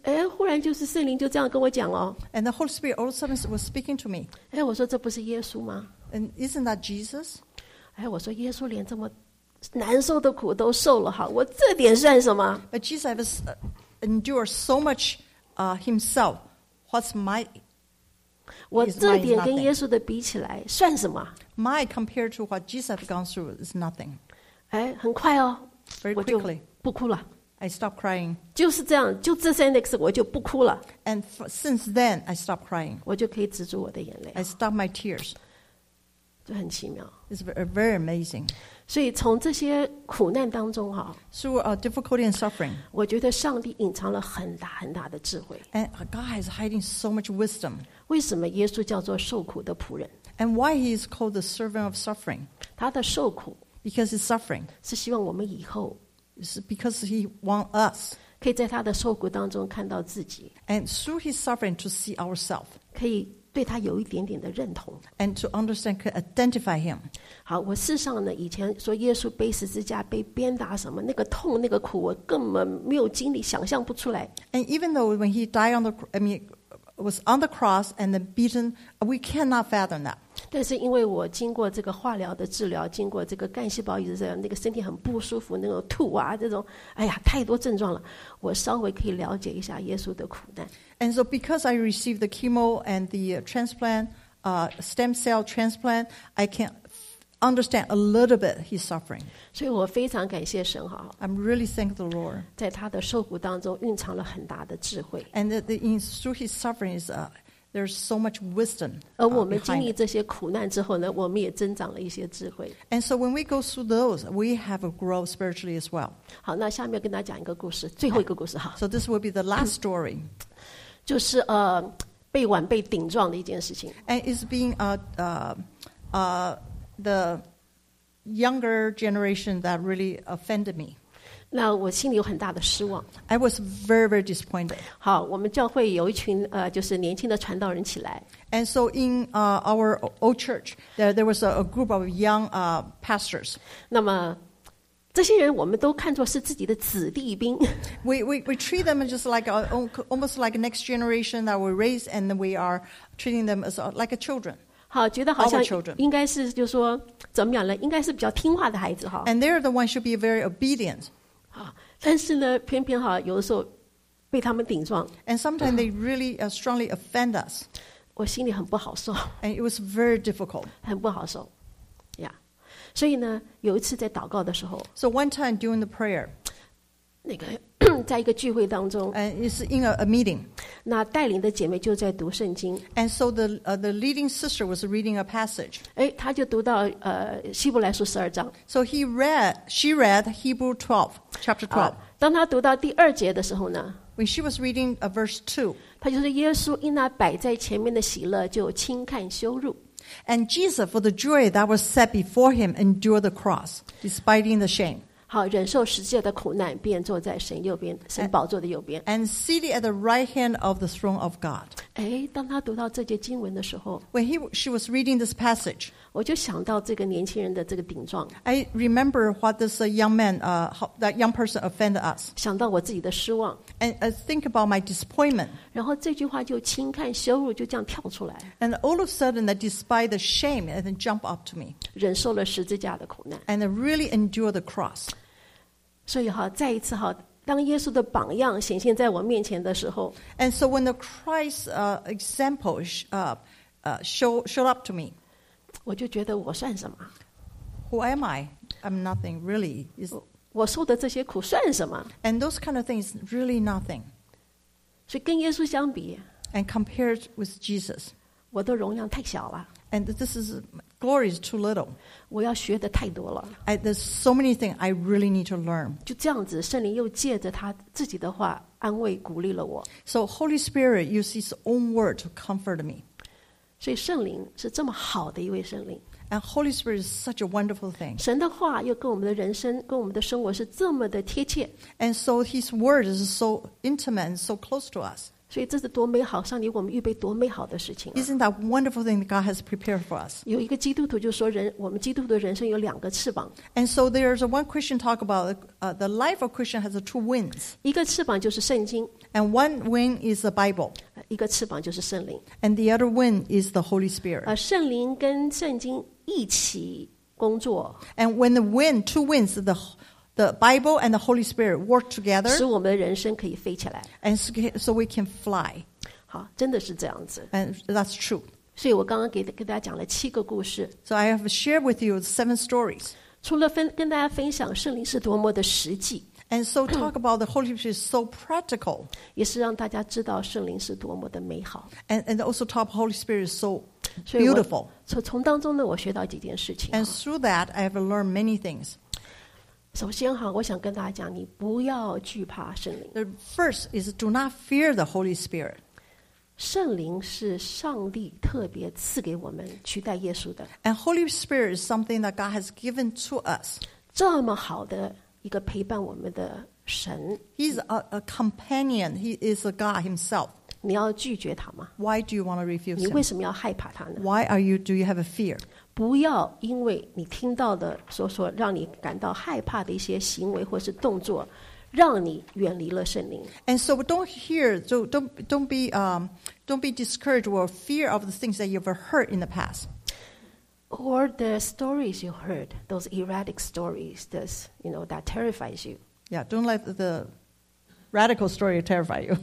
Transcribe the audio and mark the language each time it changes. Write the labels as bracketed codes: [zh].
[zh] 忽然就是圣灵就这样跟我讲哦。 [en] And the Holy Spirit all of a sudden was speaking to me. [zh] 我说这不是耶稣吗 [en] ？And isn't that Jesus? [zh] 我说耶稣连这么难受的苦都受了哈，我这点算什么 [en] ？But Jesus has endured so much himself. What's my? [zh] 我这点跟耶稣的比起来算什么 [en] ？My compared to what Jesus has gone through is nothing. [zh] 很快哦 [en] ，very quickly， [zh] 不哭了。 [en] I stopped crying. [zh] 就是这样，就这三 [en] days [zh] 我就不哭了。 [en] And since then, I stopped crying. [zh] 我就可以止住我的眼泪。 [en] I stopped my tears. [zh] 这很奇妙。 [en] It's very amazing. [zh] 所以从这些苦难当中哈 [en] ，through our difficulty and suffering， [zh] 我觉得上帝隐藏了很大很大的智慧。 [en] And God is hiding so much wisdom. [zh] 为什么耶稣叫做受苦的仆人 [en] ？And why he is called the servant of suffering？ [zh] 他的受苦 [en] ，because he's suffering， [zh] 是希望我们以后 [en] ，is because he wants us。 [zh] 可以在他的受苦当中看到自己 [en] ，and through his suffering to see ourselves， [zh] 可以对他有一点点的认同 [en] ，and to understand can identify him。 [zh] 好，我事实上呢，以前说耶稣背十字架被鞭打什么，那个痛那个苦，我根本没有经历，想象不出来。 [en] And even though when he died on the, I mean, was on the cross and then beaten, we cannot fathom that。 [zh] 但是因为我经过这个化疗的治疗，经过这个干细胞移植，那个身体很不舒服，那个吐啊，这种，哎呀，太多症状了。我稍微可以了解一下耶稣的苦难。 [en] And so, because I received the chemo and the transplant, stem cell transplant, I can understand a little bit his suffering. [zh] 所以我非常感谢神哈。 [en] I'm really thank the Lord. [zh] 在他的受苦当中蕴藏了很大的智慧。 [en] And through his suffering is there's so much wisdom. [zh] 而我们经历这些苦难之后呢，我们也增长了一些智慧。 [en] And so when we go through those, we have a growth spiritually as well. [zh] 好，那下面跟大家讲一个故事，最后一个故事哈。 [en] So this will be the last story. [zh] 就是被碗被顶撞的一件事情。 [en] And it's being the younger generation that really offended me. [zh] 那我心里有很大的失望。 [en] I was very, very disappointed. [zh] 好，我们教会有一群就是年轻的传道人起来。 [en] And so in our old church, there was a group of young pastors. [zh] 那么这些人我们都看作是自己的子弟兵。 [en] We treat them just like almost like next generation that we raise, and we are treating them as like a children. [zh] 好，觉得好像应该是就是说怎么样呢？应该是比较听话的孩子哈。 [en] And they're the one should be very obedient. [zh] 但是呢，偏偏哈，有的时候被他们顶撞。 [en] And sometimes they really strongly offend us. [zh] 我心里很不好受。 [en] And it was very difficult. [zh] 很不好受，呀、yeah. ，所以呢，有一次在祷告的时候。 [en] So one time during the prayer. [zh] 那个。在一个聚会当中 [en] and it's in a meeting [zh] 那带领的姐妹就在读圣经 [en] and so the leading sister was reading a passage [zh] 诶她就读到希伯来书十二章 [en] so she read Hebrew 12 chapter 12 [zh] 当她读到第二节的时候呢 [en] when she was reading a verse 2 [zh] 她就是耶稣因那摆在前面的喜乐就轻看羞辱 [en] and Jesus for the joy that was set before him endured the cross despising the shame [zh] 好，忍受十字架的苦难，便坐在神右边，神宝座的右边。 [en] And seated at the right hand of the throne of God. [zh] 哎，当他读到这节经文的时候 [en] ，When she was reading this passage, [zh] 我就想到这个年轻人的这个顶撞。 [en] I remember what this young man, that young person offended us. [zh] 想到我自己的失望。 [en] And I think about my disappointment. [zh] 然后这句话就轻看羞辱，就这样跳出来。 [en] And all of a sudden, that despite the shame, and then jump up to me. [zh] 忍受了十字架的苦难。 [en] And really endure the cross. [zh] 所以哈，再一次哈，当耶稣的榜样显现在我面前的时候 [en] ，And so when the Christ example showed up to me， [zh] 我就觉得我算什么 [en] ？Who am I? I'm nothing really. Is [zh] 我受的这些苦算什么 [en] ？And those kind of things really nothing. [zh] 所以跟耶稣相比 [en] ，And compared with Jesus， [zh] 我的容量太小了。 [en] And this is glory is too little. [zh] 我要学的太多了。 [en] There's so many things I really need to learn. [zh] 就这样子，圣灵又借着他自己的话安慰鼓励了我。 [en] So Holy Spirit used His own word to comfort me. [zh] 所以圣灵是这么好的一位圣灵。 [en] And Holy Spirit is such a wonderful thing. [zh] 神的话又跟我们的人生、跟我们的生活是这么的贴切。 [en] And so His word is so intimate and so close to us. [zh] 所以这是多美好，上帝我们预备多美好的事情、啊。 [en] Isn't that wonderful thing that God has prepared for us? [zh] 有一个基督徒就说人，我们基督徒的人生有两个翅膀。 [en] And so there's one Christian talk about the life of Christian has two wings. [zh] 一个翅膀就是圣经。 [en] And one wing is the Bible. [zh] 一个翅膀就是圣灵。 [en] And the other wing is the Holy Spirit. [zh] 圣灵跟圣经一起工作。 [en] And when the wing, two wings, the Bible and the Holy Spirit work together, [zh] 使我们的人生可以飞起来 [en] and so we can fly. [zh] 好，真的是这样子 [en] and that's true. [zh] 所以我刚刚给大家讲了七个故事 [en] so I have shared with you seven stories. [zh] 除了跟大家分享圣灵是多么的实际 [en] and so talk about the Holy Spirit is so practical. [zh] 也是让大家知道圣灵是多么的美好 [en] and also talk about Holy Spirit is so beautiful. [zh] 从当中呢，我学到几件事情。 [en] And through that, I have learned many things. [zh] 首先哈，我想跟大家讲，你不要惧怕圣灵。 [en] The first is do not fear the Holy Spirit. [zh] 圣灵是上帝特别赐给我们取代耶稣的。 [en] And Holy Spirit is something that God has given to us. [zh] 这么好的一个陪伴我们的神。 [en] He's a companion. He is a God himself. [zh] 你要拒绝他吗? [en] Why do you want to refuse him? [zh] 你为什么要害怕他呢? [en] Why are you, do you have a fear? [zh] 不要因为你听到的所让你感到害怕的一些行为或是动作让你远离了圣灵。 [en] And so don't hear, don't be discouraged or fear of the things that you've heard in the past. Or the stories you heard, those erratic stories this, you know, that terrifies you. Yeah, don't let the radical story terrify you.